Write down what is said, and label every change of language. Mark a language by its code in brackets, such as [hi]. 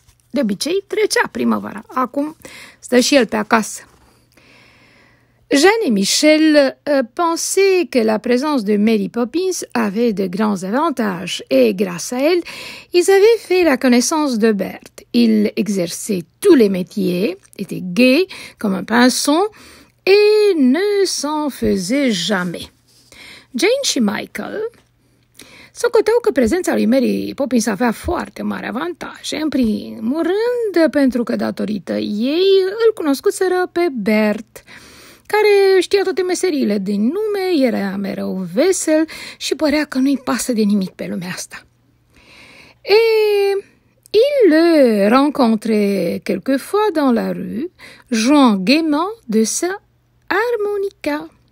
[ro] De obicei trecea primăvara, acum stă și el pe acasă. [fr] Jeanne et Michel pensaient que la présence de Mary Poppins avait de grands avantages et grâce à elle, ils avaient fait la connaissance de Bert. Il exerçait tous les métiers, était gai comme un pinson et ne s'en faisait jamais. [ro] Jane et Michael socoteau que prezența lui Mary Poppins avea foarte mare avantaje, în primul rând pentru că datorită ei îl cunoscuseră pe Bert, care știa toate meseriile din nume, era mereu vesel și părea că nu-i pasă de nimic pe lumea asta. [fr] Et il le rencontrait quelquefois dans la rue, jouant gaiement de sa harmonica.